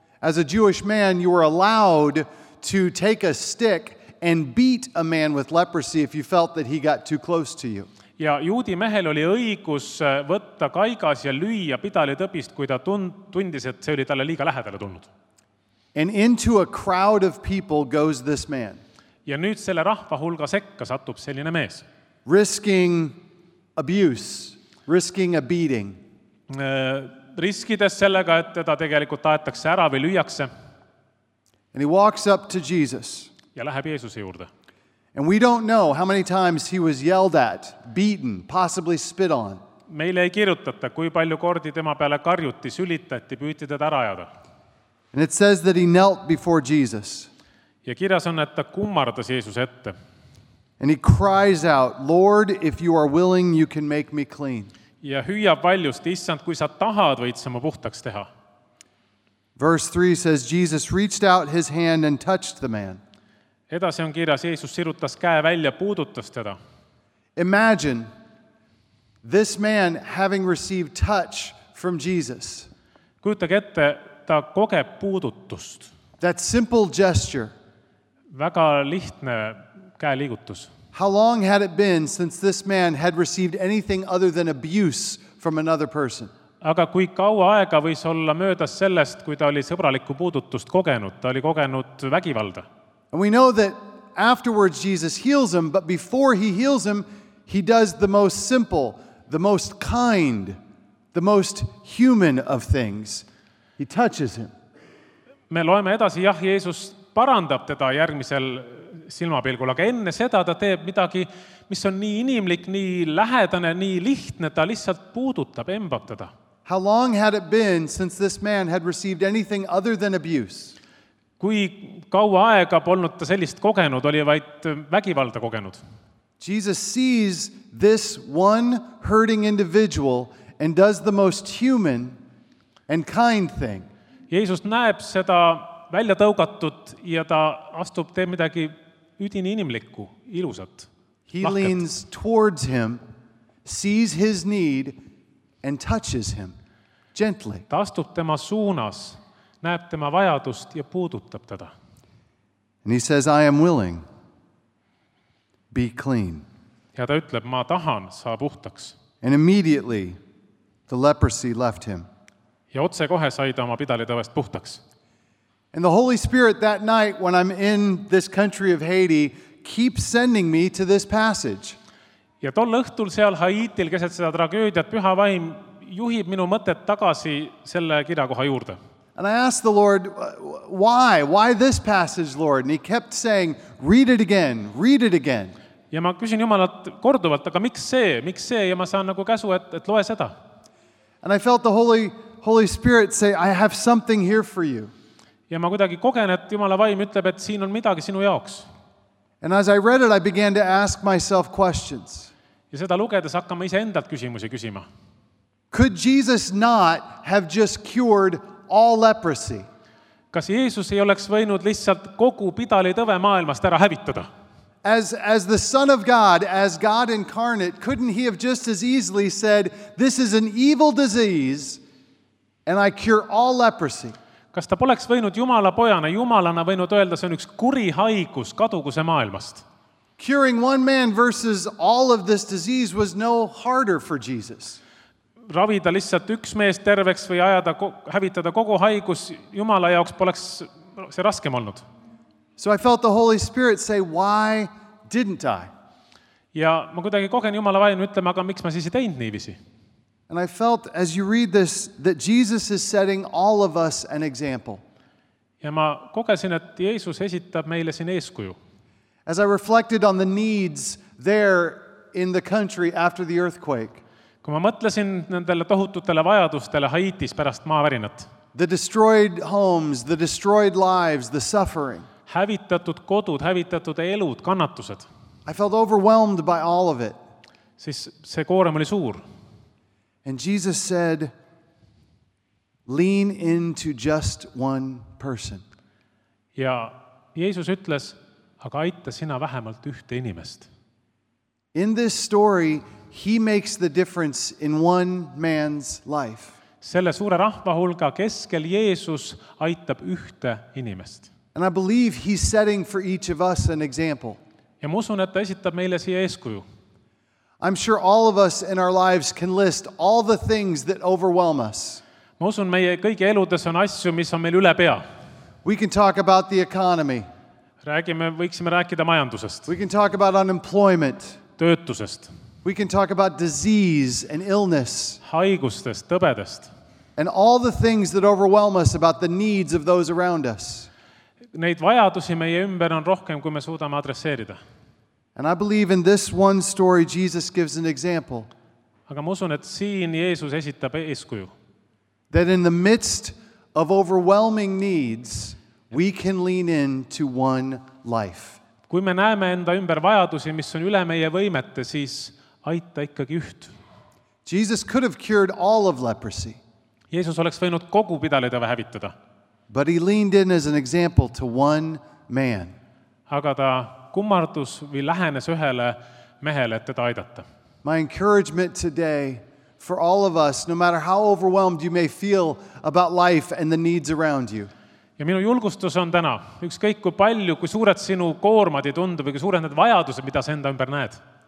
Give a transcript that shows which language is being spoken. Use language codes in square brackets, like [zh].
[en] As a Jewish man, you were allowed to take a stick and beat a man with leprosy if you felt that he got too close to you. [et] Ja juudi mehel oli õigus võtta kaigas ja lüüa pidaletõbist, kui ta tundis, et see oli talle liiga lähedale tulnud. [en] And into a crowd of people goes this man. [et] Ja nüüd selle rahva hulga sekka satub selline mees. [en] Risking abuse, risking a beating. [et] Riskides sellega, et teda tegelikult aetakse ära või lüüakse. [en] And he walks up to Jesus. [et] Ja läheb Jeesuse juurde. [en] And we don't know how many times he was yelled at, beaten, possibly spit on. [et] Meile ei kirjutata, kui palju kordi tema peale karjuti, sülitati, püüti teda ära ajada. [en] And it says that he knelt before Jesus. [et] Ja kirjas on, et ta kummardas Jeesus ette. [en] And he cries out, Lord, if you are willing, you can make me clean. [et] Ja hüüab valjust, issand, kui sa tahad, võid sa ma puhtaks teha. [en] Verse 3 says, Jesus reached out his hand and touched the man. [et] Edasi on kirjas, Jeesus sirutas käe välja, puudutas teda. [en] Imagine this man having received touch from Jesus. [et] Kujutage ette, ta kogeb puudutust. [en] That simple gesture. [et] Väga lihtne käe liigutus. [en] How long had it been since this man had received anything other than abuse from another person? [et] Aga kui kaua aega võis olla möödas sellest, kui ta oli sõbralikku puudutust kogenud, ta oli kogenud vägivalda. [en] And we know that afterwards Jesus heals him, but before he heals him, he does the most simple, the most kind, the most human of things. He touches him. [et] Me loeme edasi, jah, Jeesus parandab teda järgmisel silmapilgul, aga enne seda ta teeb midagi, mis on nii inimlik, nii lähedane, nii lihtne, ta lihtsalt puudutab, embab teda. [en] How long had it been since this man had received anything other than abuse? [et] Kui kaua aega polnud ta sellist kogenud, oli vaid vägivalda kogenud. [en] Jesus sees this one hurting individual and does the most human and kind thing. [et] Jeesus näeb seda välja tõugatud ja ta astub teeb midagi üdini inimlikku, ilusat. [en] He leans towards him, sees his need and touches him gently. [et] Ta astub tema suunas, näeb tema vajadust ja puudutab teda. [en] And he says, I am willing. Be clean. [et] Ja ta ütleb, ma tahan, saa puhtaks. [en] And immediately the leprosy left him. [et] Ja otse kohe sai ta oma pidalitõvest puhtaks. [en] And the Holy Spirit that night when I'm in this country of Haiti keeps sending me to this passage. [et] Ja tol õhtul seal Haitil keset seda tragöödiat püha vaim juhib minu mõtet tagasi selle kirjakoha juurde. [en] And I asked the Lord, why? Why this passage, Lord? And he kept saying, read it again, read it again. [et] Ja ma küsin Jumalat korduvalt, aga miks see? Miks see? Ja ma saan nagu käsu, et loe seda. [en] And I felt the Holy Spirit say, I have something here for you. [et] Ja ma kuidagi kogen, et Jumala vaim ütleb, et siin on midagi sinu jaoks. [en] And as I read it, I began to ask myself questions. [et] Ja seda lugedes hakkama ise endalt küsimusi küsima. [en] Could Jesus not have just cured all leprosy? [et] Kas Jeesus ei oleks võinud lihtsalt kogu pidalitõve maailmast ära hävitada? [en] As the Son of God, as God incarnate, couldn't he have just as easily said, this is an evil disease, and I cure all leprosy? [et] Kas ta poleks võinud Jumala pojana, Jumalana võinud öelda, see on üks kuri haigus kaduguse maailmast? [en] Curing one man versus all of this disease was no harder for Jesus. [et] Ravida lihtsalt üks mees terveks või ajada, hävitada kogu haigus Jumala jaoks poleks see raskem olnud. [en] So I felt the Holy Spirit say, why didn't I? [et] Ja ma kuidagi kogen Jumala vaim ütlema, aga miks ma siis ei teinud niivisi? [en] And I felt, as you read this, that Jesus is setting all of us an example. [et] Ja ma kogesin, et Jeesus esitab meile siin eeskuju. [en] As I reflected on the needs there in the country after the earthquake, [et] kui ma mõtlesin nendele tohututele vajadustele Haitis pärast maavärinat. [en] The destroyed homes, the destroyed lives, the suffering. [et] Hävitatud kodud, hävitatud elud, kannatused. [en] I felt overwhelmed by all of it. [et] Siis see koorem oli suur. [en] And Jesus said, lean into just one person. [et] Ja Jeesus ütles, aga aita sina vähemalt ühte inimest. [en] In this story, he makes the difference in one man's life. [et] Selle suure rahva hulga keskel Jeesus aitab ühte inimest. [en] And I believe he's setting for each of us an example. [et] Ja ma usun, et ta esitab meile siia eeskuju. [en] I'm sure all of us in our lives can list all the things that overwhelm us. [et] Ma usun, meie kõige eludes on asju, mis on meil üle pea. [en] We can talk about the economy. [et] Võiksime rääkida majandusest. [en] We can talk about unemployment. [et] Töötusest. [en] We can talk about disease and illness. [et] Haigustest, tõbedest. [en] And all the things that overwhelm us about the needs of those around us. [et] Neid vajadusi meie ümber on rohkem, kui me suudame adresseerida. [en] And I believe in this one story Jesus gives an example. [et] Aga ma usun, et siin Jeesus esitab eeskuju. [en] That in the midst of overwhelming needs, we can lean into one life. [et] Kui me näeme enda ümber vajadusi, mis on üle meie võimete, siis aita ikkagi üht. [en] Jesus could have cured all of leprosy. [et] Jeesus oleks võinud kogu pidaleda või hävitada. [en] But he leaned in as an example to one man. [et] Aga ta kummardus või lähenes ühele mehele, et teda aidata. [en] My encouragement today for all of us, no matter how overwhelmed you may feel about life and the needs around you. [et] Ja minu julgustus on täna, ükskõik kui palju, kui suured sinu koormad ei tundu või kui suured need vajadused, mida sa enda ümber näed.